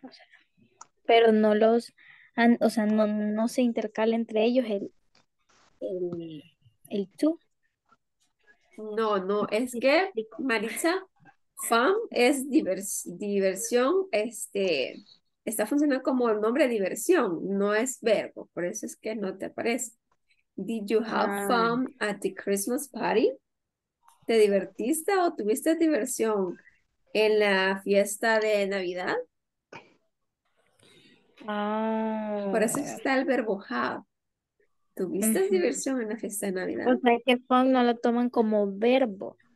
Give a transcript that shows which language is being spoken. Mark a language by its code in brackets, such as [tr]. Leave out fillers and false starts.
[es] O sea, pero no los. O sea, no se intercala entre ellos el to. No, es que, Maritza. Fun es diversión, está funcionando como el nombre de diversión, no es verbo, por eso es que no te aparece. [en] Did you have fun at the Christmas party? [es] ¿Te divertiste o tuviste diversión en la fiesta de Navidad? Por eso está el verbo have. ¿Tuviste diversión en la fiesta de Navidad? O sea, que fun no lo toman como verbo.